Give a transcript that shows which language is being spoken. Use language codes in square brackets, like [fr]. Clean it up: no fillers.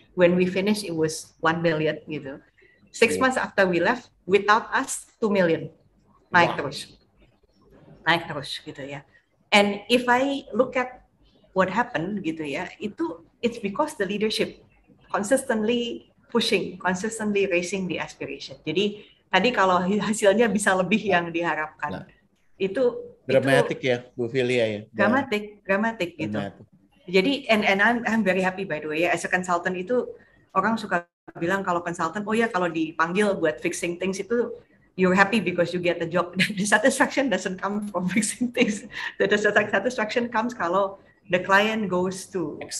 [en] When we finish, it was 1 million, [id] gitu. [en] Six months after we left, without us, 2 million. [id] Naik terus, gitu ya. [en] And if I look at what happened, [id] gitu ya, itu [en] it's because the leadership consistently pushing, consistently raising the aspiration. [id] Jadi tadi kalau hasilnya bisa lebih yang diharapkan, itu [en] dramatic [id] ya, Bu Filia ya. [en] Dramatic [id] gitu. Jadi [en] and I'm very happy by the way ya, as a consultant [id] itu orang suka bilang kalau consultant, oh ya kalau dipanggil buat [en] fixing things itu, you're happy because you get the job. The satisfaction doesn't come from fixing things. The satisfaction comes [id] kalau [en] the client goes to